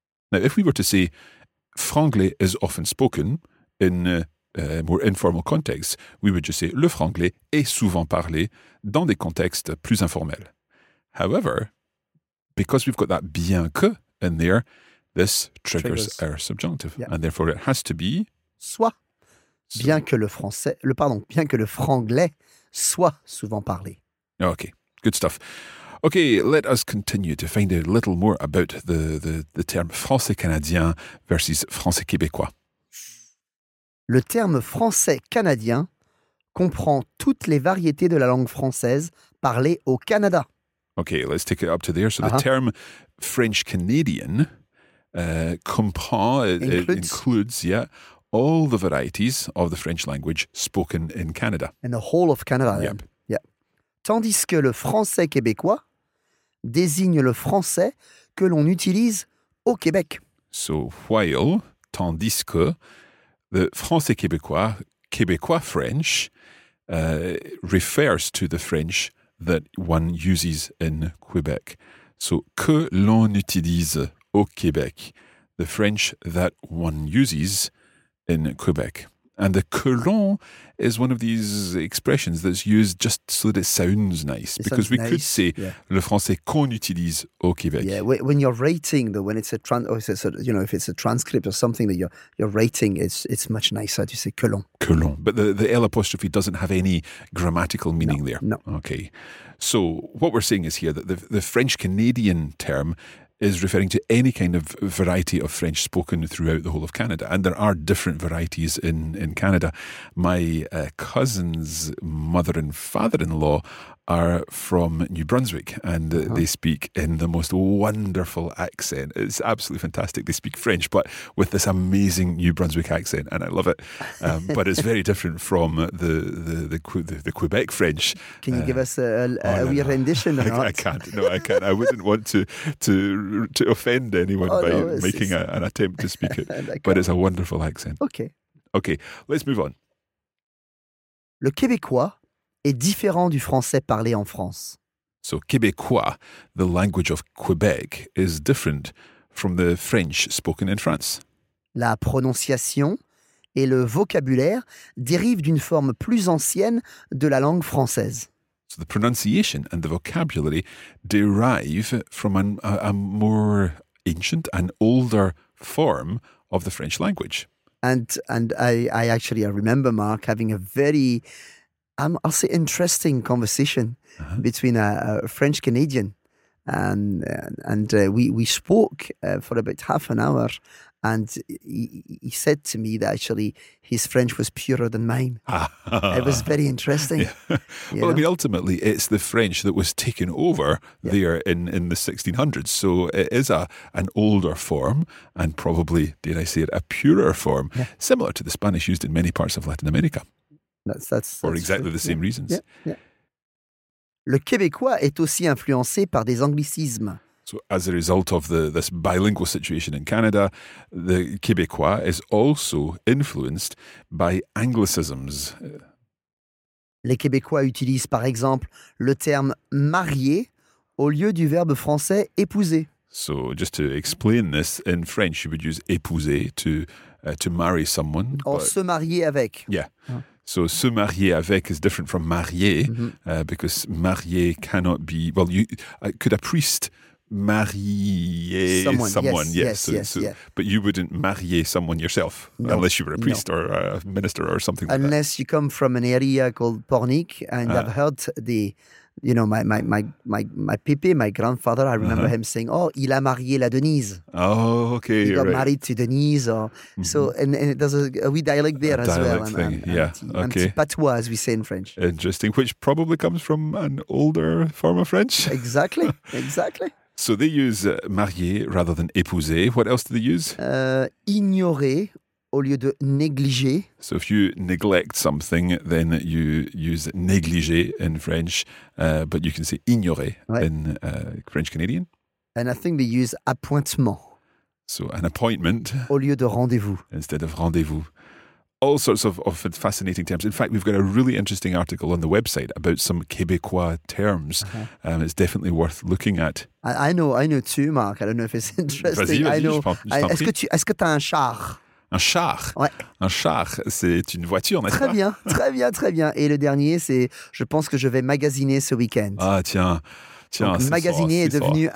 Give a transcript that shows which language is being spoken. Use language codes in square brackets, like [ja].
[en] Now, if we were to say franglais is often spoken, in a more informal context, we would just say [fr] le franglais est souvent parlé dans des contextes plus informels. [en] However, because we've got that [fr] bien que [en] in there, this triggers our subjunctive. Yeah. And therefore, it has to be... [fr] Soit. Bien que le français... bien que le franglais soit souvent parlé. [en] Okay, good stuff. Okay, let us continue to find a little more about the term français-canadien versus français-québécois. [fr] Le terme français-canadien comprend toutes les variétés de la langue française parlées au Canada. [en] Okay, let's take it up to there. So the term French-Canadian includes all the varieties of the French language spoken in Canada. In the whole of Canada. Yep. Yeah. [fr] Tandis que le français québécois désigne le français que l'on utilise au Québec. [en] So while, [fr] tandis que, [en] the français québécois, québécois French, refers to the French that one uses in Quebec. So, [fr] que l'on utilise au Québec, [en] the French that one uses in Quebec. And the [fr] que l'on [en] is one of these expressions that's used just so that it sounds nice. Could say [fr] le français qu'on utilise au Québec. [en] Yeah, when you're rating, if it's a transcript or something that you're rating, it's much nicer to say [fr] que l'on. Que l'on. [en] But the L apostrophe doesn't have any grammatical meaning there. No. Okay. So what we're saying is here that the French-Canadian term is referring to any kind of variety of French spoken throughout the whole of Canada. And there are different varieties in Canada. My cousin's mother and father-in-law are from New Brunswick, and they speak in the most wonderful accent. It's absolutely fantastic. They speak French, but with this amazing New Brunswick accent, and I love it. But it's very different from the Quebec French. Can you give us a rendition? I can't. I wouldn't want to offend anyone an attempt to speak it. But it's a wonderful accent. Okay, let's move on. [fr] Le Québécois est différent du français parlé en France. [en] So, Québécois, the language of Quebec, is different from the French spoken in France. [fr] La prononciation et le vocabulaire dérivent d'une forme plus ancienne de la langue française. [en] So, the pronunciation and the vocabulary derive from a more ancient and older form of the French language. And I remember, Mark, having a very... I'll say interesting conversation between a French Canadian, and we spoke for about half an hour, and he said to me that actually his French was purer than mine. It was very interesting. Yeah. Well, I mean, ultimately, it's the French that was taken over there in the 1600s, so it is an older form, and probably, dare I say it, a purer form, similar to the Spanish used in many parts of Latin America. That's exactly the same reasons. Yeah, yeah. [fr] Le Québécois est aussi influencé par des anglicismes. [en] So as a result of this bilingual situation in Canada, the Québécois is also influenced by anglicisms. [fr] Les Québécois utilisent par exemple le terme marié au lieu du verbe français épouser. [en] So just to explain this, in French you would use épouser to marry someone. [fr] Or se marier avec. [en] Yeah. So, [fr] se marier avec [en] is different from marier, because marier cannot be... Well, could a priest marier someone? Yes. But you wouldn't marier someone yourself, unless you were a priest or a minister or something like that. Unless you come from an area called Pornic, and I've heard the... You know, my pépé, my grandfather, I remember him saying, oh, [fr] il a marié la Denise. [en] Oh, okay. He got married to Denise. So there's a wee dialect there as well. Dialect thing, okay. [fr] Un petit patois, [en] as we say in French. Interesting, which probably comes from an older form of French. Exactly. So they use marié rather than épousé. What else do they use? [fr] Ignoré au lieu de négliger. [en] So if you neglect something, then you use négliger in French, but you can say ignorer in French Canadian. And I think they use appointement. So an appointment. [fr] Au lieu de rendez-vous. [en] Instead of rendez-vous. All sorts of fascinating terms. In fact, we've got a really interesting article on the website about some Québécois terms. Uh-huh. It's definitely worth looking at. I know too, Mark. I don't know if it's interesting. [fr] Vas-y, [en] I know. [fr] Est-ce que t'as un char? Un char. Ouais. Un char, c'est une voiture, n'est-ce pas? Très bien. Et le dernier, c'est je pense que je vais magasiner ce week-end. Ah, tiens. Tiens, donc, magasiner soir, est devenu soir.